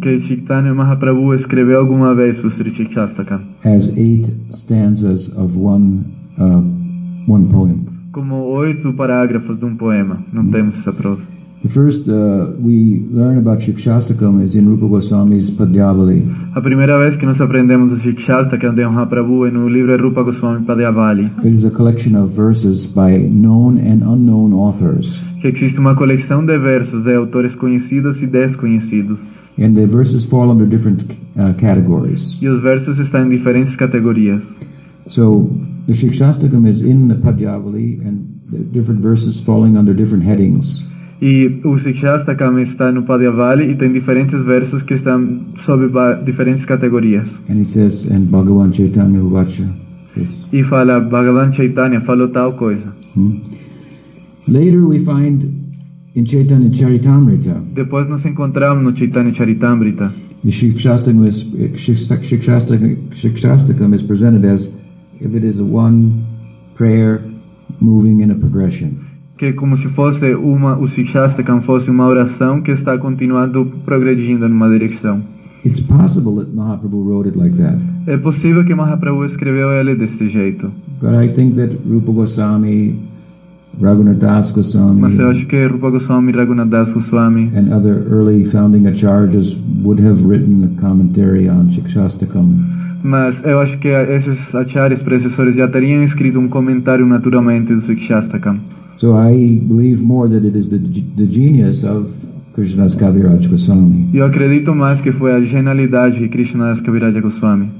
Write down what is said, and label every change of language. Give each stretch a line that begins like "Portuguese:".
Portuguese: Que Chaitanya Mahaprabhu escreveu alguma vez o Sri Shikshastakam.
English: As 8 stanzas of one poem.
Portuguese: Como 8 parágrafos de poema. Não temos essa prova.
English: The first we learn about Shikshastakam is in Rupa Goswami's Padyavali.
Portuguese: A primeira vez que nós aprendemos o Shikshastakam de Mahaprabhu é no livro Rupa Goswami Padyavali.
English: It is a collection of verses by known and unknown authors.
Portuguese: Que existe uma coleção de versos de autores conhecidos e desconhecidos.
English: And the verses fall under different categories.
Portuguese: E os versos estão em diferentes categorias.
English: So the Shikshastakam is in the Padyavali and the different verses falling under different headings.
Portuguese: E o Shikshastakam está no Padyavali e tem diferentes versos que estão sob diferentes categorias.
English: And he says, and Bhagavan Chaitanya Uvacha.
Portuguese: E fala, Bhagavan Chaitanya falou tal coisa.
English: Later we find in Chaitanya Charitamrita.
Portuguese: Depois nós encontramos no Chaitanya Charitamrita.
English: The Shikshastakam is presented as if it is a one prayer moving in a progression.
Portuguese: Que como se fosse o Shikshastakam fosse uma oração que está continuando progredindo numa direção.
English: It's possible that Mahaprabhu wrote it like that.
Portuguese: É possível que Mahaprabhu escreveu ele desse jeito.
English: But I think that Rupa Goswami, Raghunath Das Goswami,
Portuguese: mas eu acho que Rupa Goswami, Raghunath Das Goswami,
English: and other early founding acharyas would have written a commentary on Shikshastakam.
Portuguese: Mas eu acho que esses acharyas predecessores já teriam escrito comentário naturalmente do Shikshastakam.
English: So I believe more that it is the genius of Krishnadas Kaviraj Goswami.
Portuguese: Eu acredito mais que foi a genialidade de Krishnadas Kaviraj Goswami.